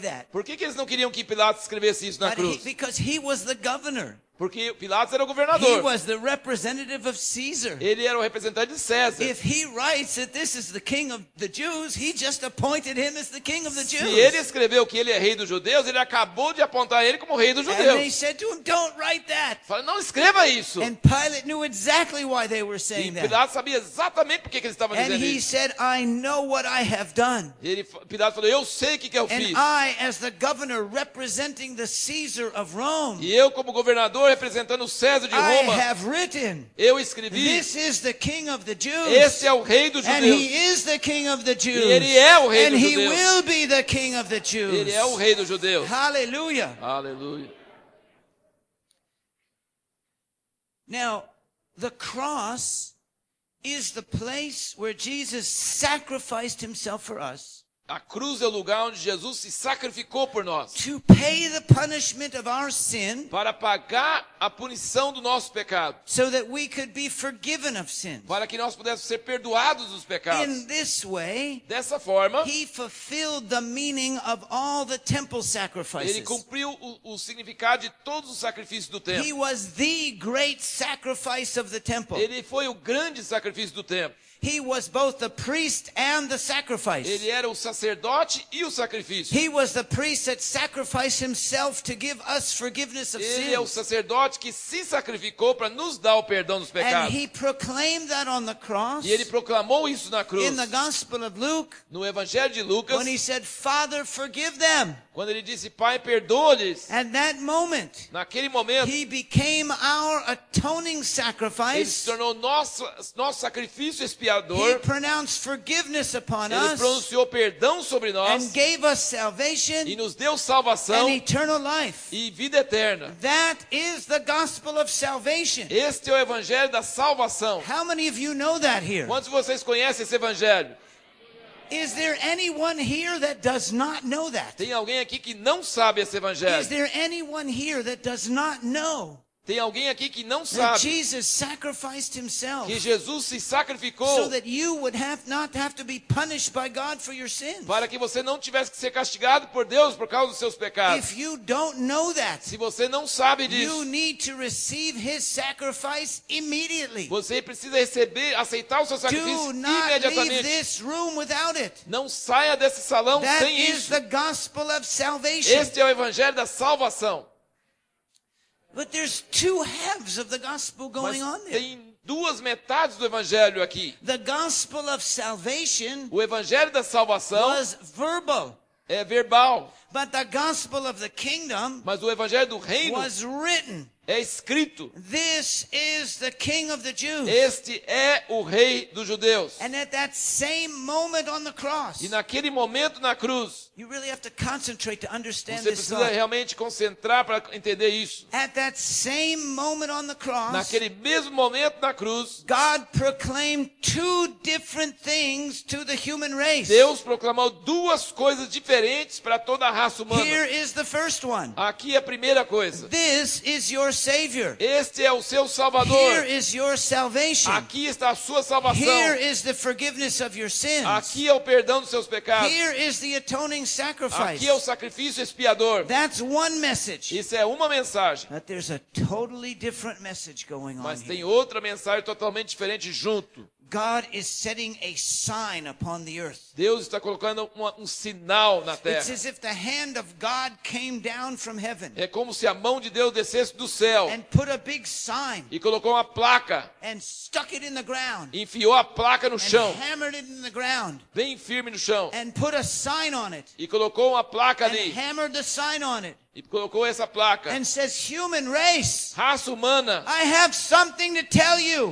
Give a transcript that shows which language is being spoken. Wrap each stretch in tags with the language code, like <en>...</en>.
<pt>Por que eles não queriam que Pilatos escrevesse isso na cruz?</pt> <en>Because he was the governor.</en> <pt>Porque Pilatos era o governador.</pt> <en>He was the representative of Caesar.</en> <pt>Ele era o representante de César.</pt> <en>If he writes that this is the king of the Jews, he just appointed him as the king of the Jews.</en> <pt>Se ele escreveu que ele é rei dos judeus, ele acabou de apontar ele como rei dos judeus.</pt> <en>And they said to him, "Don't write that."</en> <pt>Falou, não escreva isso.</pt> <en>And Pilate knew exactly why they were saying that.</en> <pt>E Pilatos sabia exatamente por que eles estavam dizendo isso.</pt> <en>And he said, "I know what I have done."</en> <pt>E Pilatos falou, eu sei o que eu fiz.</pt> <en>And I, as the governor representing the Caesar of Rome.</en> <pt>E eu como governador representando o César de Roma.</pt> <en>I have written,</en> <pt>eu escrevi.</pt> <en>This is the King of the Jews.</en> <pt>Esse é o rei dos judeus.</pt> <en>And he is the King of the Jews.</en> <pt>E ele é o rei</pt> <en>and</en> <pt>dos</pt> <en>he</en> <pt>judeus.</pt> <en>Will be the King of the Jews.</en> <pt>Ele é o rei dos judeus.</pt> <en>Hallelujah.</en> <pt>Hallelujah.</pt> <en>Now, the cross is the place where Jesus sacrificed himself for us.</en> <pt>A cruz é o lugar onde Jesus se sacrificou por nós.</pt> <en>To pay the punishment of our sin,</en> <pt>para pagar a punição do nosso pecado.</pt> <en>So that we could be forgiven of sins.</en> <pt>Para que nós pudéssemos ser perdoados dos pecados.</pt> <en>In this way,</en> <pt>dessa forma,</pt> <en>he fulfilled the meaning of all the temple sacrifices.</en> <pt>Ele cumpriu o significado de todos os sacrifícios do templo.</pt> <en>He was the great sacrifice of the temple.</en> <pt>Ele foi o grande sacrifício do templo.</pt> <en>He was both the priest and the sacrifice.</en> <pt>Ele era o sacerdote e o sacrifício.</pt> <en>He was the priest that sacrificed himself to give us forgiveness of sins.</en> <pt>Ele é o sacerdote que se sacrificou para nos dar o perdão dos pecados.</pt> <en>And he proclaimed that on the cross.</en> <pt>E ele proclamou isso na cruz.</pt> <en>In the Gospel of Luke.</en> <pt>No Evangelho de Lucas.</pt> <en>When he said, "Father, forgive them."</en> <pt>Quando ele disse, "Pai, perdoa-lhes."</pt> <en>And that moment.</en> <pt>Naquele momento.</pt> <en>He became our atoning sacrifice.</en> <pt>Ele se tornou nosso sacrifício expiatório. Criador.</pt> <en>He pronounced forgiveness upon</en> <pt>Ele</pt> <en>us</en> <pt>pronunciou perdão sobre nós.</pt> <en>And gave us salvation</en> <pt>e nos deu salvação</pt> <en>and eternal life.</en> <pt>E vida eterna.</pt> <en>That is the gospel of salvation.</en> <pt>Este é o evangelho da salvação.</pt> <en>How many of you know that here?</en> <pt>Quantos de vocês conhecem esse evangelho?</pt> <en>Is there anyone here that does not know that?</en> <pt>Tem alguém aqui que não sabe esse evangelho?</pt> <en>Is there anyone here that does not know?</en> <pt>Tem alguém aqui que não sabe?</pt> <en>That Jesus sacrificed himself.</en> <pt>Que Jesus se sacrificou.</pt> <en>So that you would have not have to be punished by God for your sins.</en> <pt>Para que você não tivesse que ser castigado por Deus por causa dos seus pecados.</pt> <en>If you don't know that,</en> <pt>se você não sabe disso,</pt> <en>you need to receive his sacrifice immediately.</en> <pt>Você precisa receber, aceitar o seu sacrifício imediatamente.</pt> <en>Leave this room without it.</en> <pt>Não saia desse salão</pt> <en>that</en> <pt>sem</pt> <en>is</en> <pt>isso.</pt> <en>The gospel of salvation.</en> <pt>Este é o evangelho da salvação.</pt> <en>But there's two halves of the gospel going on there.</en> <pt>Mas tem duas metades do evangelho aqui.</pt> <en>The gospel of salvation.</en> <pt>O evangelho da salvação.</pt> <en>Was verbal.</en> <pt>É verbal.</pt> <en>But the gospel of the kingdom.</en> <pt>Mas o evangelho do reino.</pt> <en>Was written.</en> <pt>É escrito.</pt> <en>This is the king of the Jews.</en> <pt>Este é o rei dos judeus.</pt> <en>And at that same moment on the cross.</en> <pt>E naquele momento na cruz.</pt> <en>You really have to concentrate to understand this.</en> <pt>Você precisa realmente concentrar para entender isso.</pt> <en>At that same moment on the cross.</en> <pt>Naquele mesmo momento na cruz.</pt> <en>God proclaimed two different things to the human race.</en> <pt>Deus proclamou duas coisas diferentes para toda a raça humana.</pt> <en>Here is the first one.</en> <pt>Aqui é a primeira coisa.</pt> <en>This is your savior.</en> <pt>Este é o seu salvador.</pt> <en>Here is your salvation.</en> <pt>Aqui está a sua salvação.</pt> <en>Here is the forgiveness of your sins.</en> <pt>Aqui é o perdão dos seus pecados.</pt> <en>Here is the atoning sacrifice.</en> <pt>Aqui é o sacrifício expiador.</pt> <en>That's one message.</en> <pt>Isso é uma mensagem.</pt> <en>But there's a totally different message going on.</en> <pt>Mas tem outra mensagem totalmente diferente junto.</pt> <en>God is setting a sign upon the earth.</en> <pt>Deus está colocando um sinal na terra.</pt> <en>It's as if the hand of God came down from heaven.</en> <pt>É como se a mão de Deus descesse do céu.</pt> <en>And put a big sign.</en> <pt>E colocou uma placa.</pt> <en>And stuck it in the ground.</en> <pt>E enfiou a placa no chão.</pt> <en>And hammered it in the ground.</en> <pt>Bem firme no chão.</pt> <en>And put a sign on it.</en> <pt>E colocou uma placa ali.</pt> <en>And hammered the sign on it.</en> <pt>E colocou essa placa.</pt> <en>And says, human race,</en> <pt>raça humana.</pt> <en>I have something to tell you.</en>